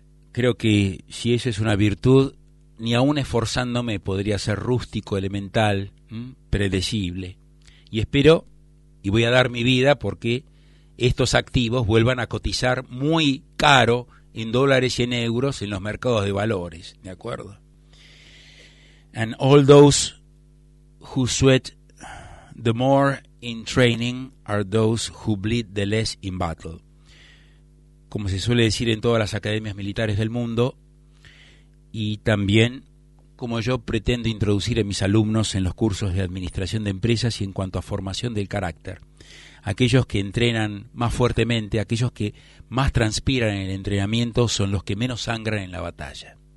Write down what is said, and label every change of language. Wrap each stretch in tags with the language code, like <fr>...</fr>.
<es>Creo que si eso es una virtud, ni aún esforzándome podría ser rústico, elemental, predecible. Y espero, y voy a dar mi vida porque estos activos vuelvan a cotizar muy caro en dólares y en euros en los mercados de valores, ¿de acuerdo?</es> <en>And all those who sweat the more in training are those who bleed the less in battle.</en> <es>Como se suele decir en todas las academias militares del mundo, y también como yo pretendo introducir a mis alumnos en los cursos de administración de empresas y en cuanto a formación del carácter. Aquellos que entrenan más fuertemente, aquellos que más transpiran en el entrenamiento, son los que menos sangran en la batalla.</es>